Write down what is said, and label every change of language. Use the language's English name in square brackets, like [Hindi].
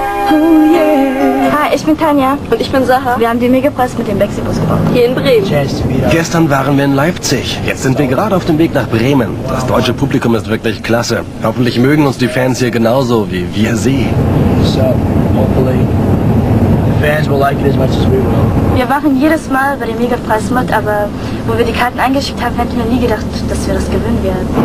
[German] Hi, ich bin Tanja. Und ich bin Sarah. Wir haben den Megapreis mit dem Backstreet Boys gewonnen. Hier in Bremen. Gestern waren wir in Leipzig. Jetzt sind wir gerade auf dem Weg nach Bremen. Das deutsche Publikum ist wirklich klasse. Hoffentlich mögen uns die Fans hier genauso wie wir sie. [English] So, hopefully fans will like it as much as we will. [German] Wir waren jedes Mal bei dem Megapreis mit, aber wo wir die Karten eingeschickt haben, hätten wir nie gedacht, dass wir das gewinnen werden.